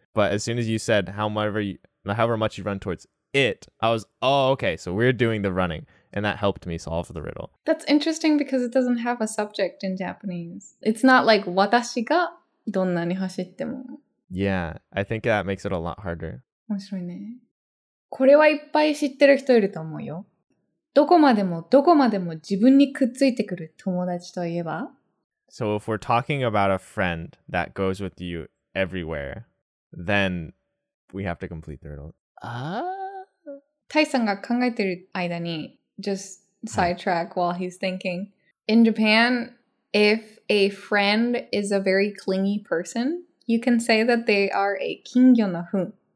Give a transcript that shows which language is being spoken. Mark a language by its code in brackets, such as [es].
[en] But as soon as you said however much you run towards it, I was, oh, okay, so we're doing the running. And that helped me solve the riddle. That's interesting because it doesn't have a subject in Japanese. It's not like, [ja] 私がどんなに走っても. [en] Yeah, I think that makes it a lot harder. [ja] 面白いね。これはいっぱい知ってる人いると思うよ。どこまでもどこまでも自分にくっついてくる友達といえば? [en] So if we're talking about a friend that goes with you everywhere, then we have to complete the riddle. [ja] タイさんが考えてる間に [en] just sidetrack while he's thinking. In Japan, if a friend is a very clingy person, you can say that they are a 金魚のふん.